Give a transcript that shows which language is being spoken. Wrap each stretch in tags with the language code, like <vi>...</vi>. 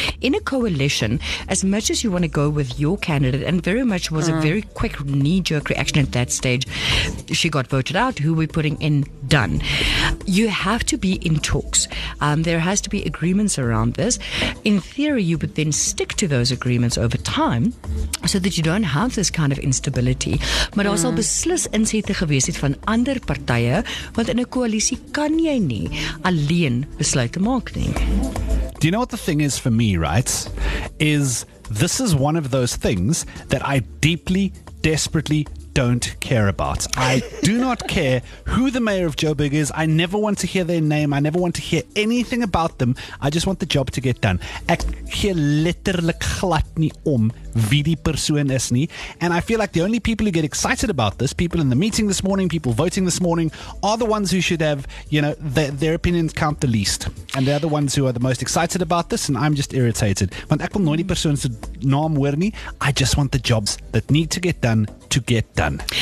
<en>In a coalition, as much as you want to go with your candidate, and very much was a very quick knee-jerk reaction at that stage, she got voted out, who we're putting in, done. You have to be in talks. There has to be agreements around this. In theory, you would then stick to those agreements over time, so that you don't have this kind of instability.</en> <af>Maar daar sal beslis insette gewees het van ander partye, want in 'n koalisie kan jy nie alleen besluite maak nie.</af> <en>Do you know what the thing is for me, right? Is this is one of those things that I deeply, desperately don't care about. I do not care who the mayor of Joburg is. I never want to hear their name. I never want to hear anything about them. I just want the job to get done.</en> <af>Ek gee letterlik glad nie om wie die persoon is nie.</af> <en>And I feel like the only people who get excited about this, people in the meeting this morning, people voting this morning, are the ones who should have, you know, their opinions count the least. And they're the ones who are the most excited about this, and I'm just irritated.</en> <af>Want ek wil nooit die persoon se naam hoor nie.</af> <en>I just want the jobs that need to get done to get done.</en>